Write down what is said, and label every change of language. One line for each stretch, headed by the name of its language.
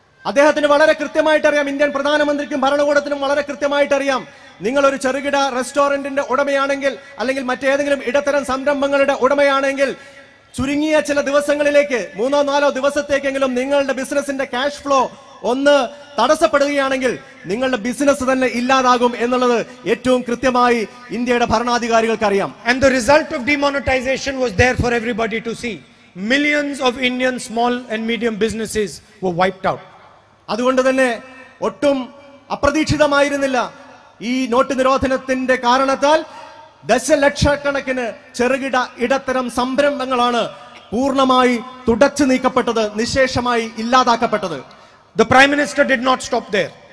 Malayalam: അദ്ദേഹത്തിന് വളരെ കൃത്യമായിട്ട് അറിയാം, ഇന്ത്യൻ പ്രധാനമന്ത്രിക്കും ഭരണകൂടത്തിനും വളരെ കൃത്യമായിട്ട് അറിയാം, നിങ്ങൾ ഒരു ചെറുകിട റെസ്റ്റോറന്റിന്റെ ഉടമയാണെങ്കിൽ അല്ലെങ്കിൽ മറ്റേതെങ്കിലും ഇടത്തരം സംരംഭങ്ങളുടെ ഉടമയാണെങ്കിൽ ചുരുങ്ങിയ ചില ദിവസങ്ങളിലേക്ക്, മൂന്നോ നാലോ ദിവസത്തേക്കെങ്കിലും നിങ്ങളുടെ ബിസിനസിന്റെ ക്യാഷ് ഫ്ലോ ഒന്ന് തടസ്സപ്പെടുകയാണെങ്കിൽ നിങ്ങളുടെ ബിസിനസ് തന്നെ ഇല്ലാതാകും എന്നുള്ളത് ഏറ്റവും കൃത്യമായി ഇന്ത്യയുടെ ഭരണാധികാരികൾക്ക് അറിയാം.
English: And the result of demonetization was there for everybody to see. Millions of Indian small and medium businesses were wiped out.
Malayalam: അതുകൊണ്ട് തന്നെ ഒട്ടും അപ്രതീക്ഷിതമായിരുന്നില്ല ഈ നോട്ട് നിരോധനത്തിന്റെ കാരണത്താൽ ദശലക്ഷക്കണക്കിന് ചെറുകിട ഇടത്തരം സംരംഭങ്ങളാണ് പൂർണ്ണമായി തുടച്ചു നീക്കപ്പെട്ടത്, നിശേഷമായി ഇല്ലാതാക്കപ്പെട്ടത്.
English: The prime minister did not stop there.